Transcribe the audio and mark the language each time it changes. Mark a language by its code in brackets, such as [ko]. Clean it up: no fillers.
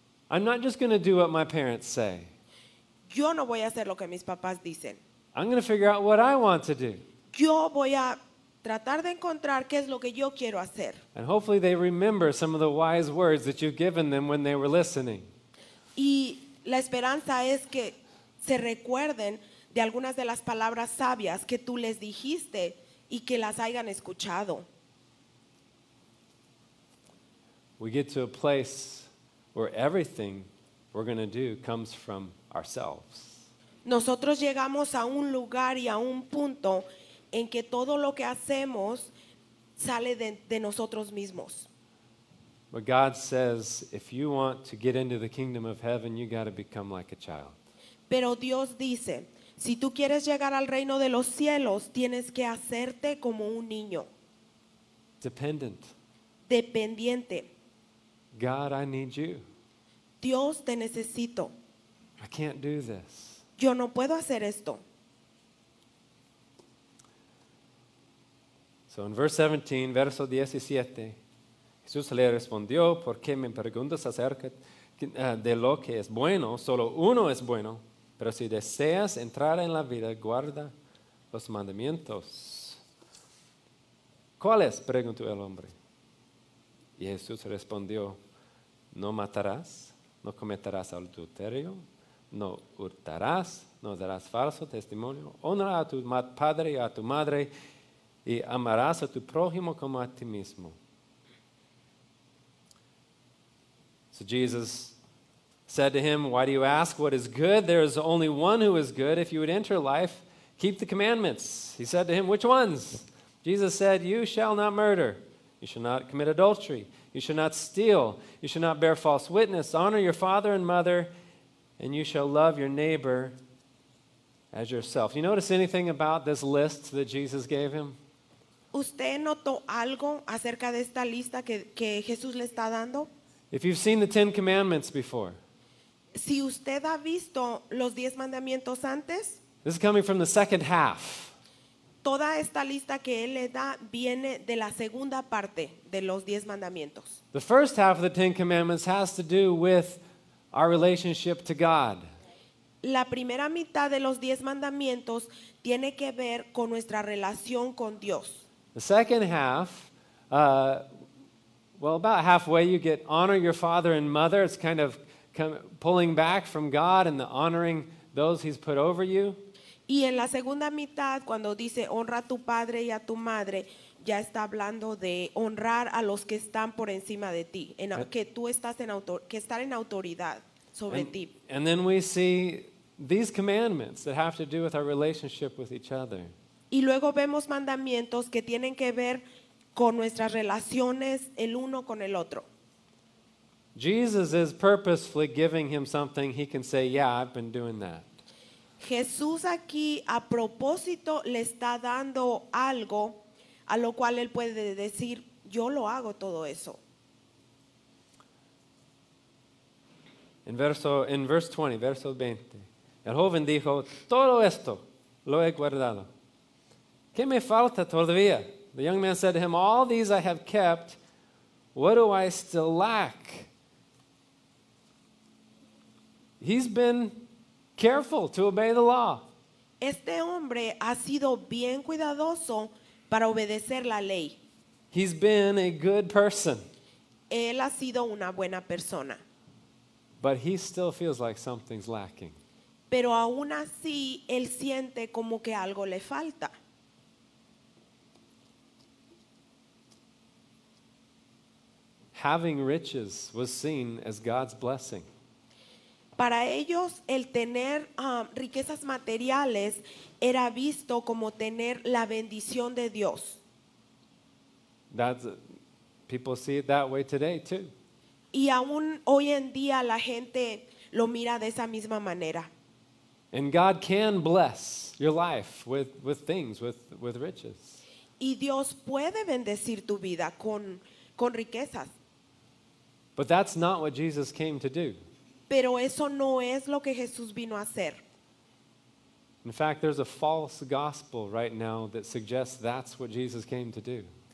[en] I'm not just going to do what my parents say. [es] Yo no voy a hacer lo que mis papás dicen. [en] I'm going to figure out what I want to do. [es] Yo voy a tratar de encontrar qué es lo que yo quiero hacer. [en] And hopefully they remember some of the wise words that you've given them when they were listening. [es] Y la esperanza es que se recuerden de algunas de las palabras sabias que tú les dijiste y que las hayan escuchado. [en] We get to a place where everything we're going to do comes from ourselves. [es] Nosotros llegamos a un lugar y a un punto en que todo lo que hacemos sale de nosotros mismos. [en] But God says, if you want to get into the kingdom of heaven, you got to become like a child. [es] Pero Dios dice, si tú quieres llegar al reino de los cielos, tienes que hacerte como un niño. [en] Dependent. [es] Dependiente. [en] God, I need you. [es] Dios, te necesito. [en] I can't do this. [es] Yo no puedo hacer esto. [en] So in verse 17, [es] verso 17, Jesús le respondió, ¿por qué me preguntas acerca de lo que es bueno? Solo uno es bueno, pero si deseas entrar en la vida, guarda los mandamientos. ¿Cuáles? Preguntó el hombre. Y Jesús respondió, no matarás, no cometerás adulterio, no hurtarás, no darás falso testimonio. Honra a tu padre y a tu madre y amarás a tu prójimo como a ti mismo. [en] So Jesus said to him, "Why do you ask what is good? There is only one who is good. If you would enter life, keep the commandments." He said to him, "Which ones?" Jesus said, "You shall not murder. You shall not commit adultery. You shall not steal. You shall not bear false witness. Honor your father and mother, and you shall love your neighbor as yourself." You notice anything about this list that Jesus gave him? [es] ¿Usted notó algo acerca de esta lista que Jesús le está dando? [en] If you've seen the Ten Commandments before, [es] si usted ha visto los diez mandamientos antes, [en] this is coming from the second half. [es] Toda esta lista que él le da viene de la segunda parte de los diez mandamientos. [en] The first half of the Ten Commandments has to do with our relationship to God. [es] La primera mitad de los diez mandamientos tiene que ver con nuestra relación con Dios. [en] The second half, about halfway, you get honor your father and mother. It's kind of pulling back from God and the honoring those he's put over you. [es] Y en la segunda mitad, cuando dice honra a tu padre y a tu madre, ya está hablando de honrar a los que están por encima de ti, que están en autoridad sobre ti. [en] And then we see these commandments that have to do with our relationship with each other. [es] Y luego vemos mandamientos que tienen que ver con nuestras relaciones el uno con el otro. [en] Jesus is purposefully giving him something he can say, "Yeah, I've been doing that." [es] Jesús aquí a propósito le está dando algo a lo cual él puede decir, "Yo lo hago todo eso." En verso 20, el joven dijo, "Todo esto lo he guardado. ¿Qué me falta todavía?" [en] The young man said to him, "All these I have kept. What do I still lack?" He's been careful to obey the law. [es] Este hombre ha sido bien cuidadoso para obedecer la ley. [en] He's been a good person. [es] Él ha sido una buena persona. [en] But he still feels like something's lacking. [es] Pero aún así, él siente como que algo le falta. [en] Having riches was seen as God's blessing. [es] Para ellos, el tener riquezas materiales era visto como tener la bendición de Dios. [en] People see it that way today too. [es] Y aún hoy en día la gente lo mira de esa misma manera. [en] And God can bless your life with things, with riches. [es] Y Dios puede bendecir tu vida con riquezas. [en] But that's not what Jesus came to do. [es] Pero eso no es lo que Jesús vino a hacer. [en] In fact, there's a false gospel right now that suggests that's what Jesus came to do.